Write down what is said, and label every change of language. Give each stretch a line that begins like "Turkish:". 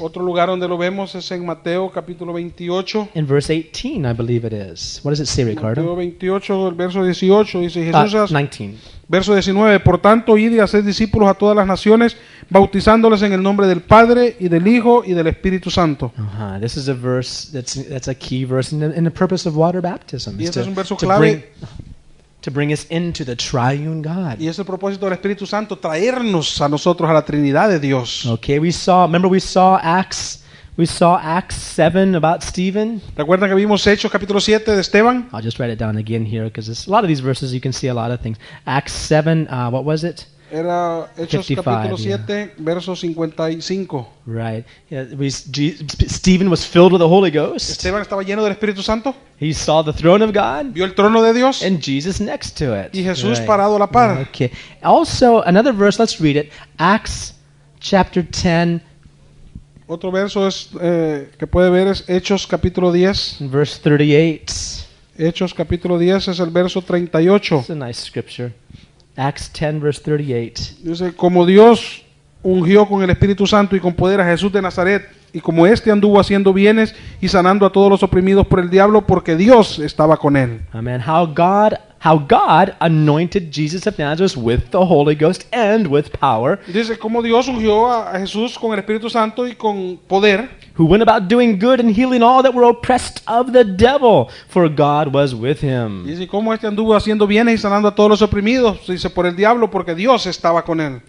Spanish: Otro lugar donde lo vemos es en Mateo capítulo 28.
English: In verse 18, I believe it is. What does it say, Ricardo?
Spanish: Mateo 28, el verso 18 dice Jesús.
English: 19.
Spanish: Verso 19. Por tanto, id y haced discípulos a todas las naciones, bautizándoles en el nombre del Padre y del Hijo y del Espíritu Santo. Uh-huh.
English: This is a verse that's a key verse in the purpose of water baptism.
Spanish: Y este es un verso clave.
English: To bring us into the triune God.
Spanish: Y es el propósito del Espíritu Santo, traernos a nosotros a la Trinidad de Dios.
English: Okay, we saw Acts 7 about Stephen.
Spanish: ¿Recuerdan que vimos Hechos capítulo 7 de Esteban?
English: I'll just write it down again here because a lot of these verses you can see a lot of things. Acts 7, what was it?
Spanish: Era Hechos
English: 55,
Spanish: capítulo 7,
English: yeah.
Spanish: Verso 55.
English: Right. Yeah, Stephen was filled with the Holy Ghost.
Spanish: Esteban estaba lleno del Espíritu Santo.
English: He saw the throne of God.
Spanish: Vio el trono de Dios.
English: And Jesus next to it.
Spanish: Y Jesús right. Parado a la par.
English: Okay. Also, another verse, let's read it. Acts chapter 10.
Spanish: Otro verso es, que puede ver es Hechos capítulo 10.
English: Verse 38.
Spanish: Hechos capítulo 10 es el verso 38.
English: It's a nice scripture. Acts 10, verse 38.
Spanish: Dice, como Dios ungió con el Espíritu Santo y con poder a Jesús de Nazaret, y como éste anduvo haciendo bienes y sanando a todos los oprimidos por el diablo, porque Dios estaba con él. Amen.
English: How God anointed Jesus of Nazareth with the Holy Ghost and with power.
Spanish: Dice, como Dios ungió a Jesús con el Espíritu Santo y con poder.
English: Who went about doing good and healing all that were oppressed of the devil, for God was with him.
Spanish: Dice, como este anduvo haciendo bienes y sanando a todos los oprimidos, dice, por el diablo, porque Dios estaba con él.